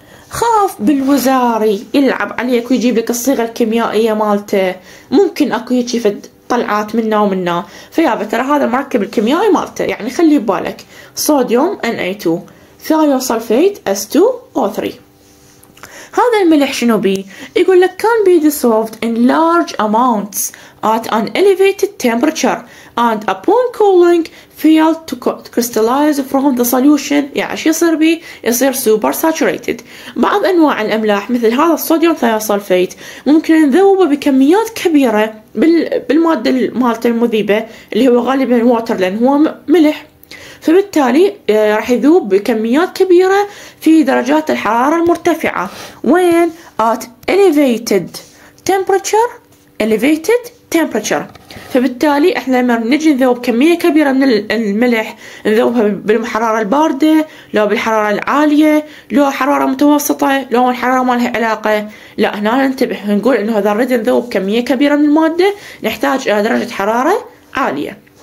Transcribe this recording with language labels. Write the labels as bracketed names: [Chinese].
[Arabic] خاف بالوزاري يلعب عليك ويجيب لك الصيغه الكيميائيه مالته، ممكن اكو هيك طلعات منه ومنه، فيا ترى هذا المركب الكيميائي مالته، يعني خلي ببالك صوديوم Na2 ثايوسلفيت S2O3. هذا الملح شنو بي؟ يقول لك [English] can be dissolved in large amounts at an elevated temperature and upon cooling fail to crystallize from the solution. [Arabic] يعني شو يصير بي؟ يصير super saturated. بعض أنواع الأملاح مثل هذا الصوديوم ثايوسلفيت ممكن نذوبه بكميات كبيرة بالمادة مالته المذيبة اللي هو غالبا water لأن هو ملح، فبالتالي راح يذوب بكميات كبيرة في درجات الحرارة المرتفعة. وين؟ [English] at elevated temperature. elevated temperature. [Arabic] فبالتالي احنا لما نجي نذوب كمية كبيرة من الملح نذوبها بالحرارة الباردة، لو بالحرارة العالية، لو حرارة متوسطة، لو الحرارة ما لها علاقة، لا هنا ننتبه نقول انه اذا نريد نذوب كمية كبيرة من المادة نحتاج الى درجة حرارة عالية.